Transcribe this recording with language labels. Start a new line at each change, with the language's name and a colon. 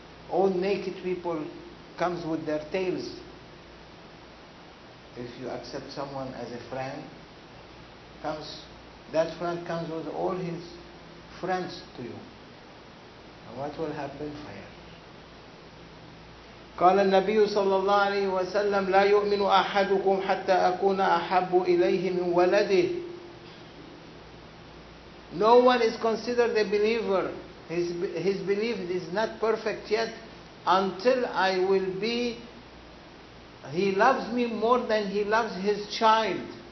English: All naked people comes with their tails. If you accept someone as a friend, comes that friend comes with all his friends to you. And what will happen? Fire.
Arabic: قال النبي صلى الله عليه وسلم لا يؤمن أحدكم حتى أكون أحب إليه من ولده.
English: No one is considered a believer. His belief is not perfect yet until I will be, he loves me more than he loves his child.